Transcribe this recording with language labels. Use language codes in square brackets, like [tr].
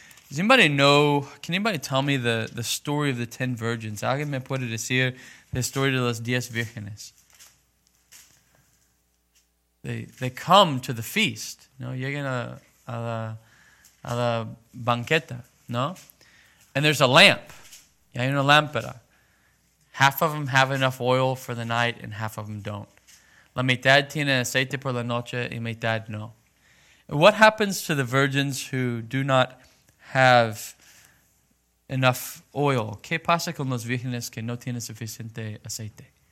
[en] Does anybody know, can anybody tell me the story of the 10 virgins? [es] ¿Alguien me puede decir la historia de los 10 vírgenes? [en] They come to the feast, ¿no? [es] Llegan a la banqueta, ¿no? [en] And there's a lamp. [es] Y hay una lámpara. [en] Half of them have enough oil for the night and half of them don't. [es] La mitad tiene aceite por la noche y mitad no. [en] What happens to the virgins who do not have enough oil? [es] ¿Qué pasa con los vírgenes que no tienen suficiente aceite?